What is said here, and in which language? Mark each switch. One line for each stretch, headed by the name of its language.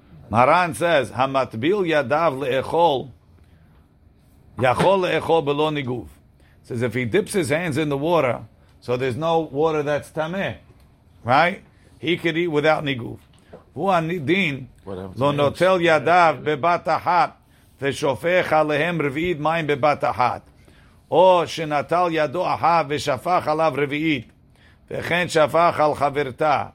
Hebrew: מרן says, המטביל ידיו לאכול, יכול לאכול בלא ניגוב.
English: Says, if he dips his hands in the water, so there's no water that's tame, right? He could eat without ניגוב.
Hebrew: הוא הנדין, לא נוטל ידיו בבת אחת, ושופך עליהם רביעית מים בבת אחת. או שנטל ידו אחת ושפך עליו רביעית, וכן שפך על חברתה.